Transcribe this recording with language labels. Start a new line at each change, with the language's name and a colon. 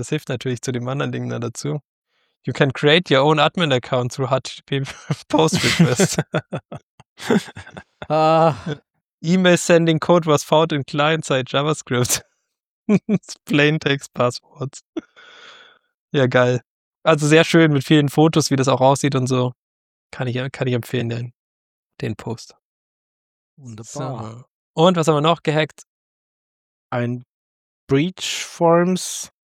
German: Das hilft natürlich zu dem anderen Ding da dazu.
English: You can create your own admin account through HTTP post request. E-Mail sending code was found in client-side JavaScript. Plain text passwords.
German: Ja, geil. Also sehr schön mit vielen Fotos, wie das auch aussieht und so. Kann ich empfehlen, den Post. Wunderbar. So. Und was haben wir noch gehackt? Ein Breach Forms.